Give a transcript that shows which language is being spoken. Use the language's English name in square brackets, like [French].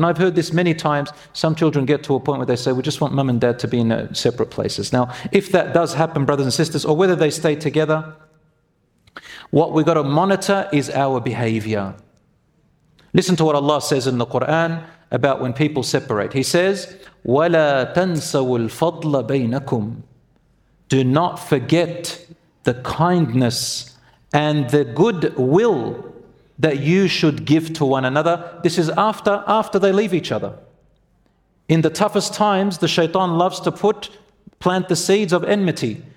[English] And I've heard this many times. Some children get to a point where they say, we just want mum and dad to be in separate places. Now, if that does happen, brothers and sisters, or whether they stay together, what we've got to monitor is our behavior. Listen to what Allah says in the Quran about when people separate. He says, [Arabic] وَلَا تَنْسَوُ الْفَضْلَ بَيْنَكُمْ. [English] Do not forget the kindness and the goodwill that you should give to one another. This is after they leave each other. In the toughest times, the shaitan loves to plant the seeds of enmity.